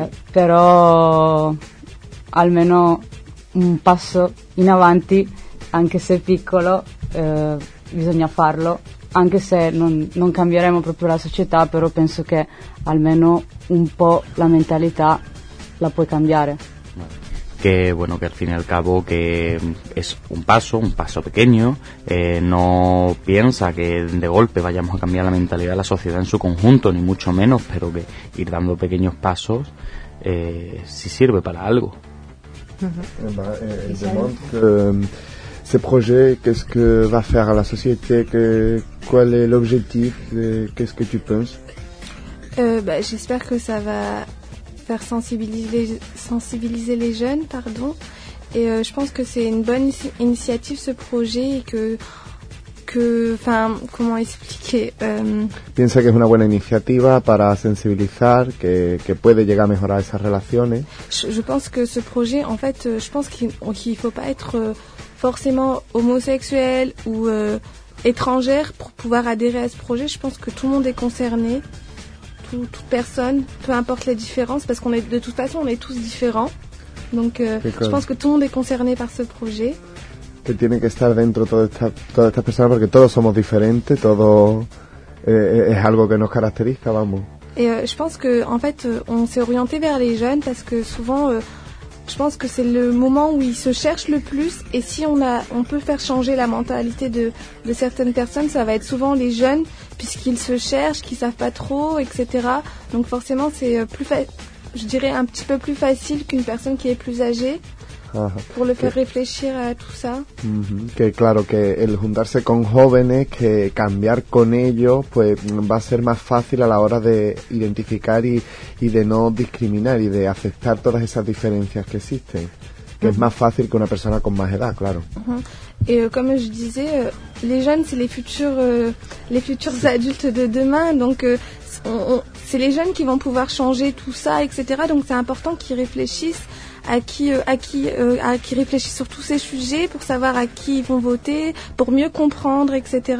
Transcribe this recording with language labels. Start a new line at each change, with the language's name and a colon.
Italian: Però almeno un passo in avanti, anche se piccolo, bisogna farlo, anche se non cambieremo proprio la società, però penso che almeno un po' la mentalità la puoi cambiare.
Spanish: Que bueno, que al fin y al cabo que es un paso pequeño, no piensa que de golpe vayamos a cambiar la mentalidad de la sociedad en su conjunto, ni mucho menos, pero que ir dando pequeños pasos sí sirve para algo.
French: Demande ce projet, qu'est-ce que va faire à la société,
Spanish: cuál es el objetivo,
French: qu'est-ce que tu penses? J'espère que ça va faire sensibiliser les jeunes, pardon. Et je pense que c'est une bonne initiative, ce projet, et que enfin, comment expliquer?
Spanish: Piensa que es una buena iniciativa para sensibilizar, que puede llegar a mejorar esas relaciones.
French: Je pense que ce projet, en fait, je pense qu'il faut pas être forcément homosexuel ou étrangère pour pouvoir adhérer à ce projet. Je pense que tout le monde est concerné. Toute personne, peu importe les différences, parce qu'on est de toute façon, on est tous différents. Donc, je pense que tout le monde est concerné par ce projet.
Spanish: Que tiene que estar dentro toda esta persona, porque todos somos diferentes, todo es algo que nos caracteriza, vamos.
French: Et je pense que en fait, on s'est orienté vers les jeunes parce que souvent, je pense que c'est le moment où ils se cherchent le plus. Et si on peut faire changer la mentalité de certaines personnes, ça va être souvent les jeunes. Puisqu'ils se cherchent, qu'ils savent pas trop, etc. Donc forcément, c'est plus je dirais un petit peu plus facile qu'une personne qui est plus âgée pour le faire réfléchir à tout ça. Mm-hmm.
Spanish: Que claro que el juntarse con jóvenes, que cambiar con ellos, pues va a ser más fácil a la hora de identificar y de no discriminar y de aceptar todas esas diferencias que existen. Que es más fácil que una persona con más edad, claro. Uh-huh.
French: Et comme je disais, les jeunes, c'est les futurs sí. adultes de demain. Donc, c'est les jeunes qui vont pouvoir changer tout ça, etc. Donc, c'est important qu'ils réfléchissent à qui réfléchissent sur tous ces sujets pour savoir à qui ils vont voter, pour mieux comprendre, etc.